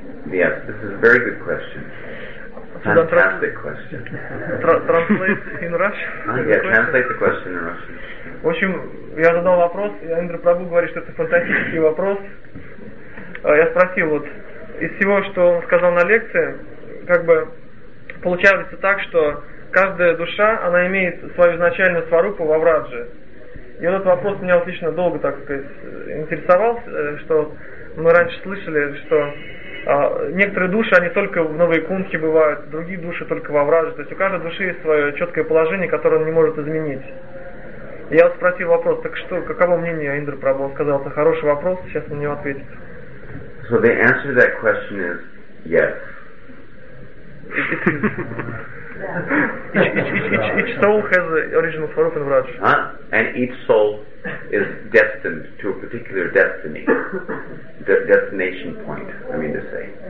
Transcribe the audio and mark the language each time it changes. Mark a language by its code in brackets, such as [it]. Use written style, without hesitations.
[en] Yes, this is a very good question. Fantastic question. Translate in Russian? Translate the question in Russian. [ru] В общем, я задал вопрос, и Андрей Прабу говорит, что это фантастический вопрос. Я спросил, вот из всего, что он сказал на лекции, как бы получается так, что каждая душа, она имеет свою изначальную сварупу во Врадже. И вот этот вопрос меня отлично долго, так сказать, интересовал, что мы раньше слышали, что некоторые души, они только в Новой Кунхе бывают, другие души только во Врадже. То есть у каждой души есть свое четкое положение, которое он не может изменить. Я спросил вопрос, так что, каково мнение Индра Прабху? Он сказал, это хороший вопрос, сейчас на него ответит. [en] So the answer to that question is yes. Each soul has the original swarup in Vraj. And each soul is destined to a particular destiny, the destination point, I mean to say.